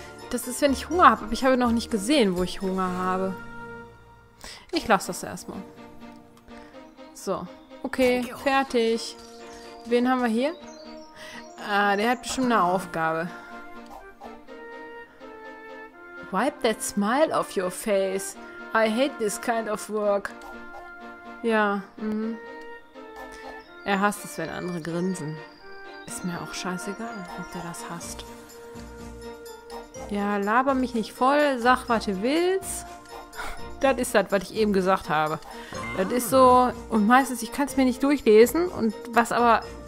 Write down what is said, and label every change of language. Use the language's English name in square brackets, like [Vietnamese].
[German] Das ist, wenn ich Hunger habe. Aber ich habe noch nicht gesehen, wo ich Hunger habe. Ich lasse das erstmal. So, okay, fertig. Wen haben wir hier? Ah, der hat bestimmt eine Aufgabe. [English] Wipe that smile off your face. I hate this kind of work. [German] Ja, Er hasst es, wenn andere grinsen. Ist mir auch scheißegal, ob der das hasst. Ja, laber mich nicht voll, sag, was du willst. Das ist das, was ich eben gesagt habe. Das ist so... Und meistens, ich kann es mir nicht durchlesen. Und was aber